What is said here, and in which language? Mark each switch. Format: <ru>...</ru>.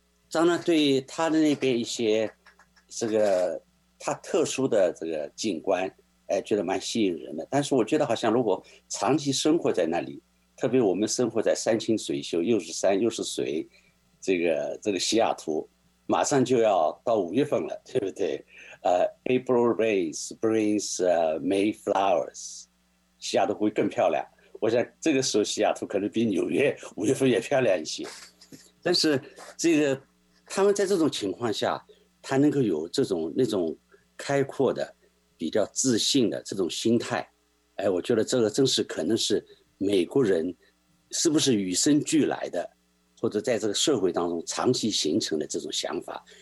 <zh>当然对他的那边一些这个他特殊的这个景观，哎，觉得蛮吸引人的。但是我觉得好像如果长期生活在那里，特别我们生活在山清水秀，又是山又是水，这个西雅图马上就要到5月份了，对不对？</zh> <en>April rain brings May flowers，</en> <zh>西雅图会更漂亮。我想这个时候西雅图可能比纽约5月份也漂亮一些。但是这个他们在这种情况下，他能够有这种那种开阔的、比较自信的这种心态，哎，我觉得这个真是可能是美国人是不是与生俱来的，或者在这个社会当中长期形成的这种想法。</zh>